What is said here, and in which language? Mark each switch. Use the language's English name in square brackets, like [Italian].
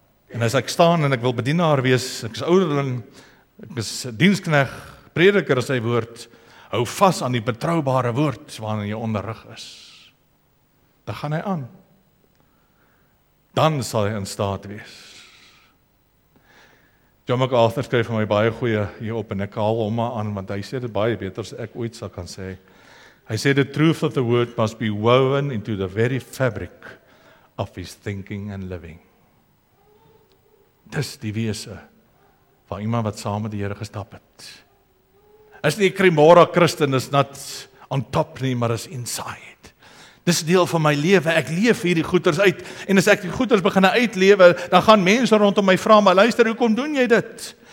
[Afrikaans] En as ek staan en ek wil bedienaar wees, ek is ouderling, ek is dienskneg, prediker is sy woord, hou vas aan die betroubare woord waarin jy onderrig is. Dan gaan hy aan. Dan sal hy in staat wees. John MacArthur skryf vir my baie goeie hierop en ek haal hom maar aan, want hy sê dit baie beter as ek ooit sal kan sê. Hy sê, [English] the truth of the word must be woven into the very fabric of his thinking and living. [Afrikaans] Dis die wese van iemand wat saam met die Here gestap het. Is nie Krimora Christen, [English] is not on top [Afrikaans] nie, maar is inside. Dis deel van my lewe, ek leef hierdie goeders uit, en as ek die goeders begin uitlewe, dan gaan mense rondom my vra, maar luister, hoekom doen jy dit?